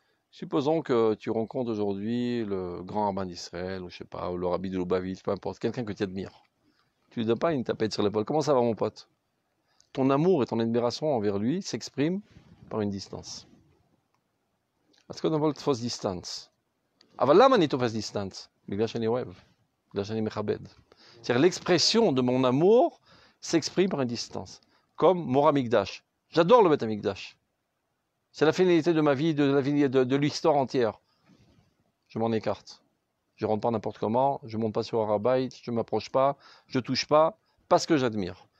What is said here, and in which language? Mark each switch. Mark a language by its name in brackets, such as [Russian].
[French] Supposons que tu rencontres aujourd'hui le grand rabbin d'Israël, ou je sais pas, ou le rabbi de Lubavitch, peu importe, quelqu'un que tu admires. Tu ne lui donnes pas une tapette sur l'épaule. Comment ça va, mon pote? Ton amour et ton admiration envers lui s'expriment par une distance. [Hebrew] אז קודם כל תפוס דיסטנס. אבל למה אני תופס דיסטנס? בגלל שאני אוהב, בגלל שאני מכבד. [French] C'est-à-dire l'expression de mon amour s'exprime par une distance. Comme mon Amigdash. J'adore le Beth Amigdash. C'est la finalité de ma vie, de l'histoire entière. Je m'en écarte. Je ne rentre pas n'importe comment, je ne monte pas sur Arabite, je ne m'approche pas, je ne touche pas, parce que j'admire.